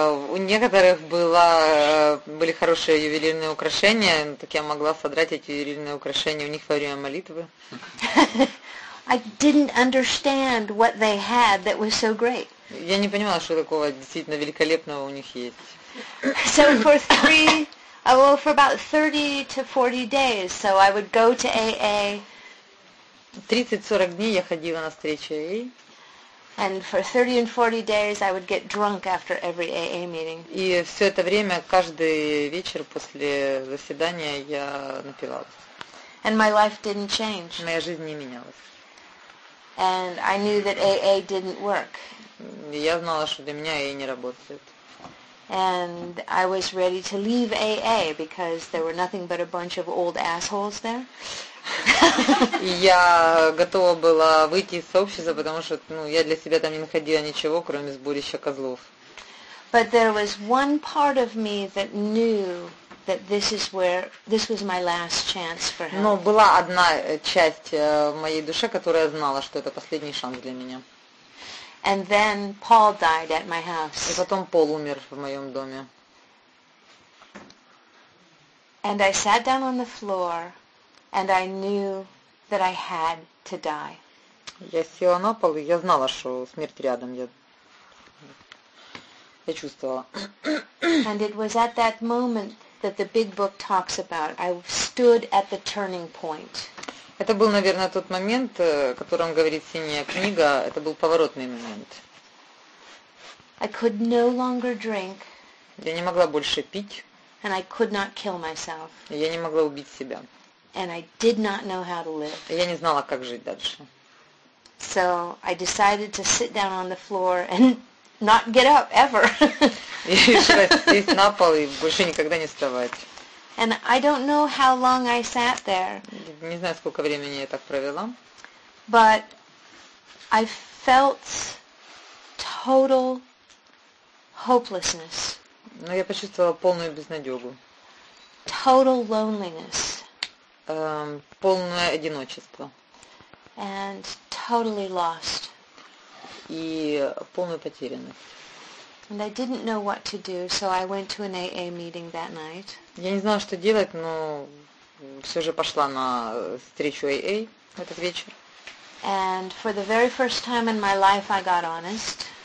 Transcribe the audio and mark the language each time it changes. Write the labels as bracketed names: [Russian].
[Russian] У некоторых были хорошие ювелирные украшения, так я могла содрать эти ювелирные украшения у них во время молитвы. [English] I didn't understand what they had that was so great. [Russian] Я не понимала, что такого действительно великолепного у них есть. [English] So for three, well, for about 30 to 40 days, so I would go to AA. [Russian] 30-40 дней я ходила на встречи AA. [English] And for 30 and 40 days I would get drunk after every AA meeting. [Russian] И все это время, каждый вечер после заседания я напивалась. [English] And my life didn't change. [Russian] Моя жизнь не менялась. [English] And I knew that AA didn't work. [Russian] Я знала, что для меня AA не работает. [English] And I was ready to leave AA because there were nothing but a bunch of old assholes there. [Russian] Я готова была выйти из сообщества, потому что, ну, я для себя там не находила ничего, кроме сборища козлов. [English] But there was one part of me that knew that this is where this was my last chance for help. [Russian] Но была одна часть моей души, которая знала, что это последний шанс для меня. [English] And then Paul died at my house. [Russian] И потом Пол умер в моем доме. [English] And I sat down on the floor. And I knew that I had to die. [Russian] Я села на пол, и я знала, что смерть рядом. Я чувствовала. [English] And it was at that moment that the big book talks about. I stood at the turning point. [Russian] Это был, наверное, тот момент, о котором говорит синяя книга. Это был поворотный момент. [English] I could no longer drink. [Russian] Я не могла больше пить. [English] And I could not kill myself. [Russian] Я не могла убить себя. [English] And I did not know how to live. [Russian] Я не знала, как жить дальше. [English] So I decided to sit down on the floor and not get up ever. [Russian] И решила сесть на пол и больше никогда не вставать. [English] And I don't know how long I sat there. [Russian] Не знаю, сколько времени я так провела. [English] But I felt total hopelessness. [Russian] Но я почувствовала полную безнадегу. [English] Total loneliness. [Russian] Полное одиночество. [English] And totally lost. [Russian] И полную потерянность. [English] And I didn't know what to do, so I went to an AA meeting that night. [Russian] Я не знала, что делать, но все же пошла на встречу AA в этот вечер. [English] And for the very first time in my life I got honest.